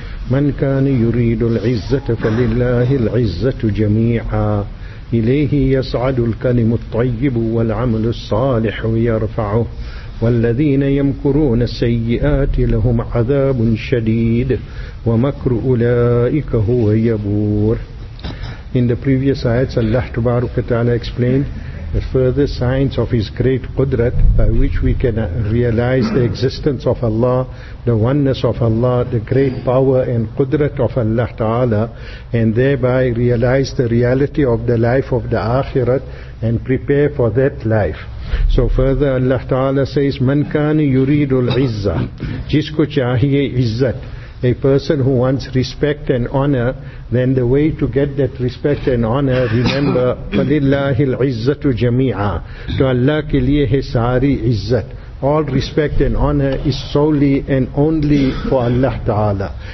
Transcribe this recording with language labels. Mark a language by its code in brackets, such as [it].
[ar] من كان يريد العزة فلله العزة جميعا، إليه يصعد الكلم الطيب والعمل الصالح يرفعه، والذين يمكرون السيئات لهم عذاب شديد ومكر أولئك هو يبور. [en] In the previous ayats, Allah Tabaraka Ta'ala explained the further signs of His great Qudrat by which we can realize the existence of Allah, the oneness of Allah, the great power and Qudrat of Allah Ta'ala, and thereby realize the reality of the life of the Akhirat and prepare for that life. So further Allah Ta'ala says, [ar] مَنْ كَانِ يُرِيدُ الْعِزَّةِ [ur] جِسْكُ چَاهِيَ عِزَّةِ. [en] A person who wants respect and honor, then the way to get that respect and honor, remember, [ar] فَلِلَّهِ الْعِزَّةُ جَمِيعًا. [ur] To Allah ke liye hai sari izzat. [en] All respect and honor is solely and only for Allah Ta'ala.